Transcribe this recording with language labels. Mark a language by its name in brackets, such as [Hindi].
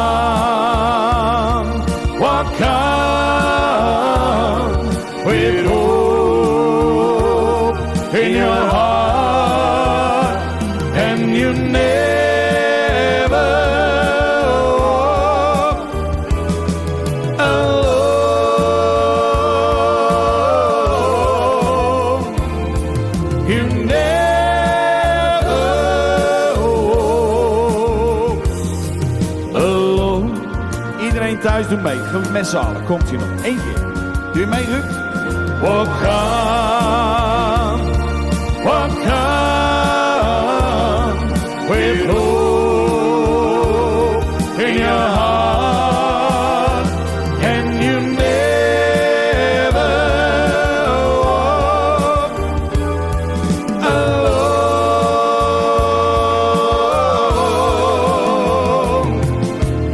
[English] Walk on with hope in your heart, and you never walk alone. [Dutch] You thuis doe mee, gaan we met z'n allen. Komt ie nog. Eén keer. Doe je mee, Ruud? [English] Walk on, walk on with hope in your heart, and you never walk alone.